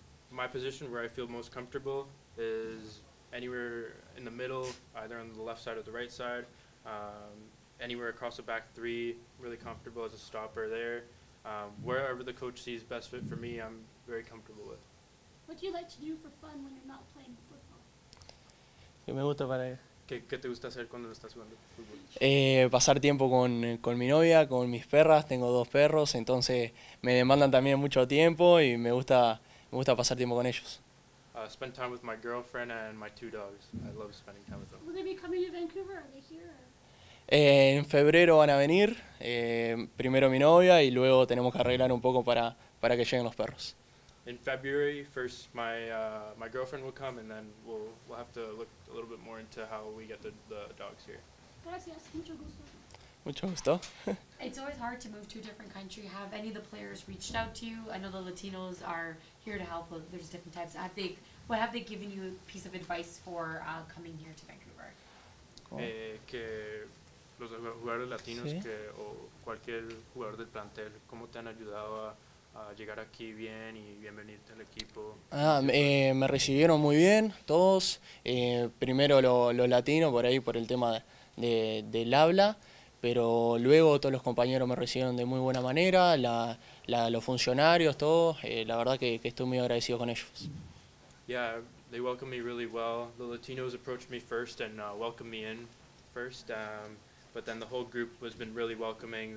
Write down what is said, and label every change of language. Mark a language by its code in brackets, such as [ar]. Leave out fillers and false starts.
[en] My position where I feel most comfortable is anywhere in the middle, either on the left side or the right side. Anywhere across the back three, really comfortable as a stopper there. Wherever the coach sees best fit for me, I'm very comfortable with. What do you like to do for fun when you're not playing football? [es] ¿Qué te gusta hacer cuando estás jugando fútbol? Pasar tiempo con mi novia, con mis perras. Tengo dos perros, entonces me demandan también mucho tiempo y me gusta pasar tiempo con ellos. [en] Spend time with my girlfriend and my two dogs. I love spending time with them. Will they be coming to Vancouver? Are they here? [es] En febrero van a venir. Primero mi novia y luego tenemos que arreglar un poco para que lleguen los perros. [en] In February, first my girlfriend will come, and then we'll have to look a little bit more into how we get the dogs here. [es] Gracias, mucho gusto. Mucho gusto. [en] It's always hard to move to a different country. Have any of the players reached out to you? I know the Latinos are here to help, but there's different types. What have they given you a piece of advice for coming here to Vancouver? [es] Que los jugadores latinos, sí. Que o cualquier jugador del plantel, ¿cómo te han ayudado a llegar aquí bien y bienvenirte al equipo? Me recibieron muy bien todos, primero los latinos por ahí por el tema del habla, pero luego todos los compañeros me recibieron de muy buena manera, los funcionarios, todos, la verdad que estoy muy agradecido con ellos. [en] Yeah, they welcomed me really well. The Latinos approached me first and welcomed me in first, but then the whole group has been really welcoming.